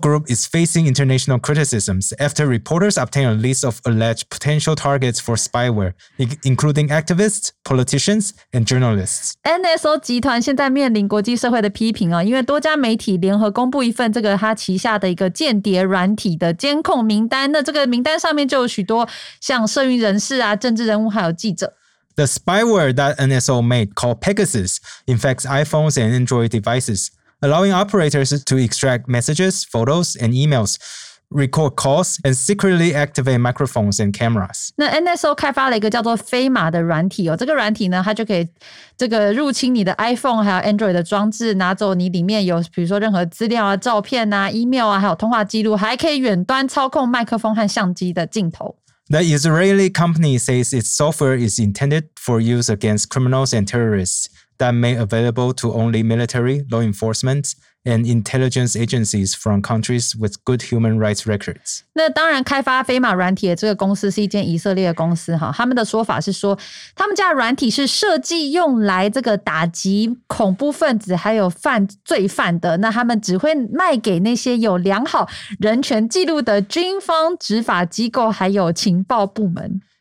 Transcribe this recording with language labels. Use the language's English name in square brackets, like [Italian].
[English] Group is facing international criticisms after reporters obtained a list of alleged potential targets for spyware, including activists, politicians, and journalists. [Chinese] NSO 集团现在面临国际社会的批评、哦、因为多家媒体联合公布一份这个他旗下的一个间谍软体的监控名单。那这个名单上面就有许多像社运人士啊、政治人物还有记者。 [English] The spyware that NSO made called Pegasus infects iPhones and Android devices, allowing operators to extract messages, photos, and emails, record calls, and secretly activate microphones and cameras. [Chinese] 那 NSO 开发了一个叫做飞马的软体哦，这个软体呢，它就可以这个入侵你的 iPhone 还有 Android 的装置，拿走你里面有比如说任何资料啊、照片啊、email 啊，还有通话记录，还可以远端操控麦克风和相机的镜头。 [English] The Israeli company says its software is intended for use against criminals and terrorists that made available to only military, law enforcement, and intelligence agencies from countries with good human rights records. [Chinese] 那当然开发飞马软体的这个公司是一间以色列的公司，他们的说法是说他们家的软体是设计用来这个打击恐怖分子还有犯罪犯的，那他们只会卖给那些有良好人权记录的军方执法机构还有情报部门。